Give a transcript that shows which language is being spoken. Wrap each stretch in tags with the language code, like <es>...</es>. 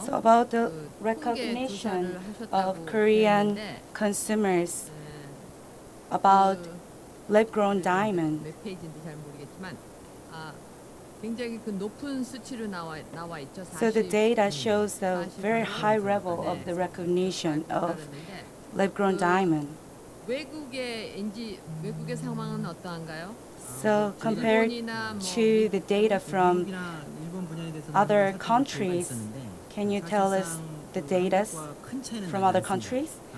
<en>So about the recognition of Korean consumers about lab-grown diamond.</en> <ko>몇 페이지인지 잘 모르겠지만, 굉장히 그 높은 수치로 나와 있죠.</ko> <en>So the data shows a very high level of the recognition of lab-grown diamond.</en> <ko>외국의 상황은 어떠한가요?</ko> <en>So compared to the data from other countries, can you tell us the data from other countries?</en>